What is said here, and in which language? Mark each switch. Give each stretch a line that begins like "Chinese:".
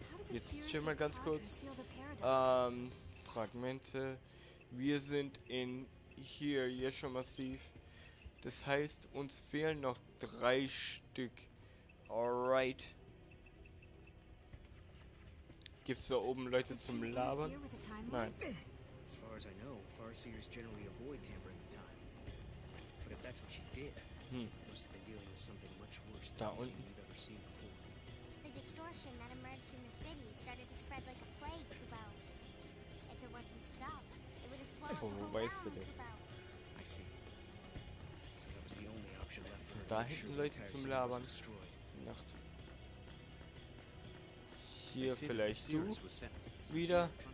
German: Jetzt chill mal ganz kurz. Fragmente. Wir sind in hier, Yesha Massiv. Das heißt, uns fehlen noch 3 Stück. Alright. Gibt's da oben Leute zum Labern? Nein.
English: As far as I know, Farseers generally avoid tampering with time. But if that's what she did, must have been dealing with something much worse than anything you've ever seen before. The distortion that emerged in the city started to spread like a plague, Kubo. If it wasn't stopped, it would have swallowed the whole world, Kubo. I see. So that was the only option left for her.
German: Sind da hinten Leute zum Labern? Nacht. Hier vielleicht du wieder.